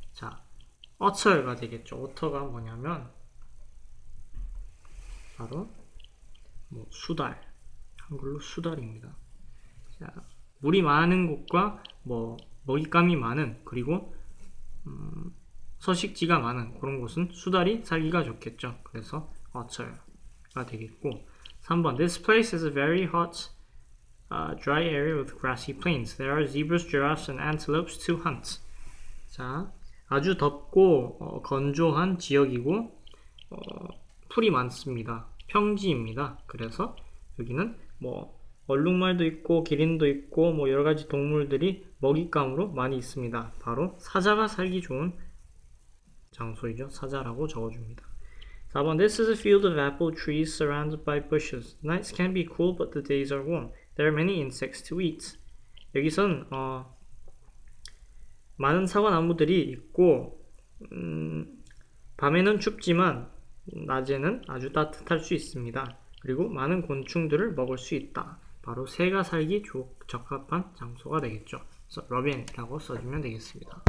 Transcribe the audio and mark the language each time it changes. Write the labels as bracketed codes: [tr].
[ko] 자, water가 되겠죠. water가 뭐냐면 바로 뭐 수달, 한글로 수달입니다. 자, 물이 많은 곳과 뭐 먹잇감이 많은 그리고 서식지가 많은 그런 곳은 수달이 살기가 좋겠죠. 그래서 water가 되겠고. 3번. [en] This place is a very hot, dry area with grassy plains. There are zebras, giraffes, and antelopes to hunt. [ko] 자, 아주 덥고 건조한 지역이고 풀이 많습니다. 평지입니다. 그래서 여기는 뭐 얼룩말도 있고 기린도 있고 뭐 여러 가지 동물들이 먹잇감으로 많이 있습니다. 바로 사자가 살기 좋은 장소이죠. 사자라고 적어줍니다. 4번. [en] This is a field of apple trees surrounded by bushes. Nights can be cool, but the days are warm. There are many insects to eat. [ko] 여기선 많은 사과나무들이 있고 밤에는 춥지만 낮에는 아주 따뜻할 수 있습니다. 그리고 많은 곤충들을 먹을 수 있다. 바로 새가 살기 적합한 장소가 되겠죠. 그래서 robin이라고 써주면 되겠습니다.